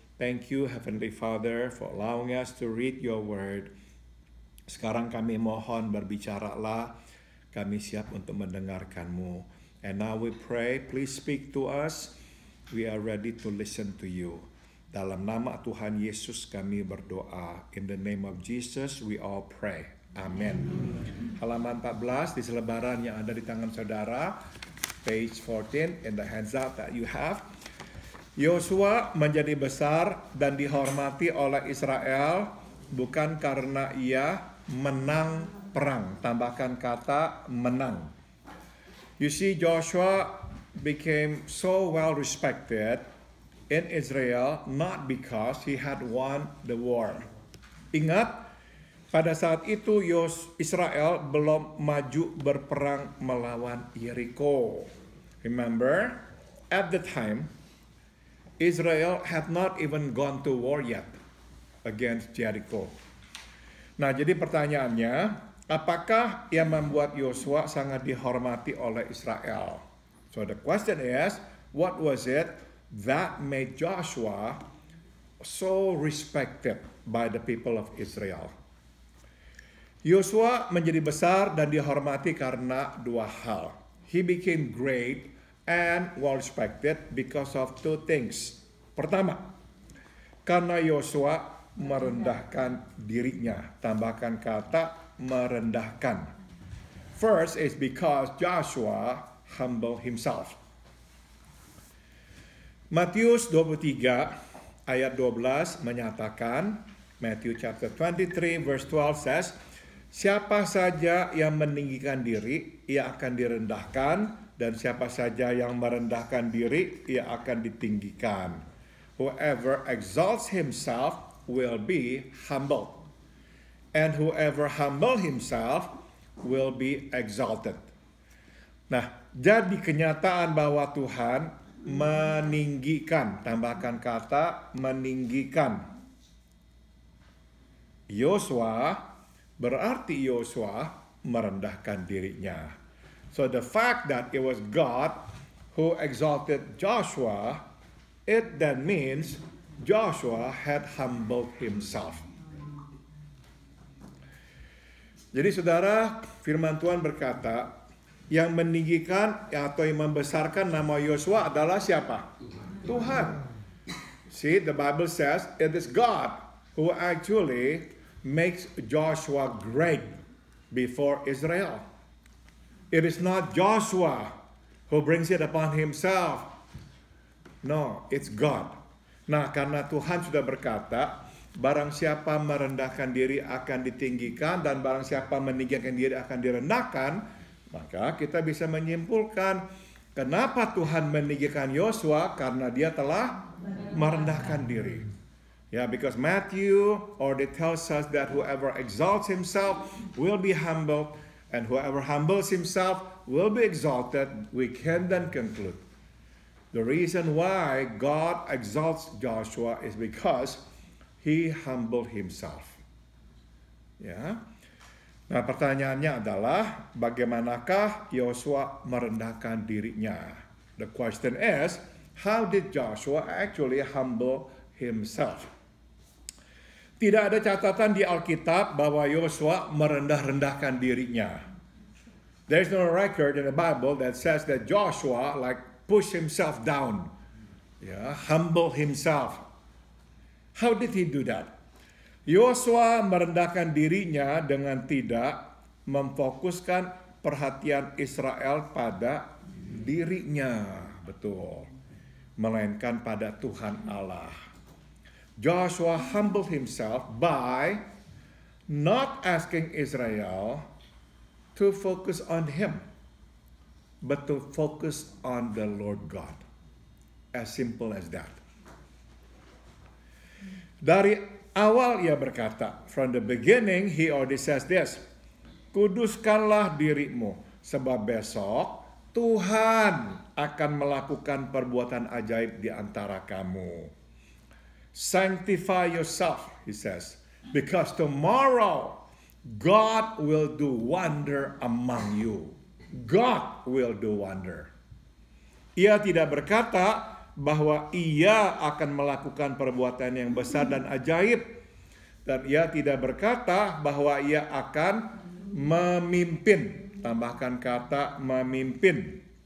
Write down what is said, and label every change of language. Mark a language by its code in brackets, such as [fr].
[en] Thank you, Heavenly Father, for allowing us to read your word. [id] Sekarang kami mohon berbicaralah, kami siap untuk mendengarkan-Mu. [en] And now we pray, please speak to us. We are ready to listen to you. [id] Dalam nama Tuhan Yesus kami berdoa. [en] In the name of Jesus we all pray. Amen. [id] Halaman 14 di selebaran yang ada di tangan saudara. [en] Page 14 in the hands up that you have. [id] Yosua menjadi besar dan dihormati oleh Israel bukan karena ia menang perang. Tambahkan kata menang. [en] You see, Joshua became so well respected in Israel not because he had won the war. [id] Ingat, pada saat itu Israel belum maju berperang melawan Yeriko. [en] Remember, at the time, Israel had not even gone to war yet against Jericho. [id] Nah, jadi pertanyaannya, apakah yang membuat Yosua sangat dihormati oleh Israel? [en] So the question is, what was it that made Joshua so respected by the people of Israel? [id] Yosua menjadi besar dan dihormati karena dua hal. [en] He became great and well respected because of two things. [id] Pertama, karena Yosua merendahkan dirinya. Tambahkan kata merendahkan. [en] First is because Joshua humbled himself. [id] Matius 23 ayat 12 menyatakan, [en] Matthew chapter 23 verse 12 says, [id] siapa saja yang meninggikan diri, ia akan direndahkan, dan siapa saja yang merendahkan diri, ia akan ditinggikan. [en] Whoever exalts himself will be humbled. And whoever humble himself will be exalted. [id] Nah, jadi kenyataan bahwa Tuhan meninggikan, tambahkan kata meninggikan, Yosua, berarti Yosua merendahkan dirinya. [en] So the fact that it was God who exalted Joshua, it then means Joshua had humbled himself. [id] Jadi saudara, firman Tuhan berkata, yang meninggikan atau yang membesarkan nama Yosua adalah siapa? Tuhan. [en] See, the Bible says it is God who actually makes Joshua great before Israel. It is not Joshua who brings it upon himself. No, it's God. [id] Nah, karena Tuhan sudah berkata, barang siapa merendahkan diri akan ditinggikan, dan barang siapa meninggikan diri akan direndahkan, maka kita bisa menyimpulkan, kenapa Tuhan meninggikan Yosua? Karena dia telah merendahkan diri. [en] Ya, yeah, because Matthew already tells us that whoever exalts himself will be humbled, and whoever humbles himself will be exalted. We can then conclude, the reason why God exalts Joshua is because he humbled himself. Ya. Yeah. [id] Nah, pertanyaannya adalah bagaimanakah Yosua merendahkan dirinya? [en] The question is, how did Joshua actually humble himself? Tidak ada catatan di Alkitab bahwa Yosua merendah-rendahkan dirinya. There's no record in the Bible that says that Joshua like push himself down. Yeah, humble himself. How did he do that? [id] Yosua merendahkan dirinya dengan tidak memfokuskan perhatian Israel pada dirinya, betul. Melainkan pada Tuhan Allah. [en] Joshua humbled himself by not asking Israel to focus on him, but to focus on the Lord God. As simple as that. [id] Dari awal ia berkata, [en] from the beginning he already says this, [id] kuduskanlah dirimu, sebab besok Tuhan akan melakukan perbuatan ajaib di antara kamu. [en] Sanctify yourself, he says, because tomorrow God will do wonder among you. God will do wonder. [id] Ia tidak berkata bahwa ia akan melakukan perbuatan yang besar dan ajaib. Dan ia tidak berkata bahwa ia akan memimpin. Tambahkan kata memimpin.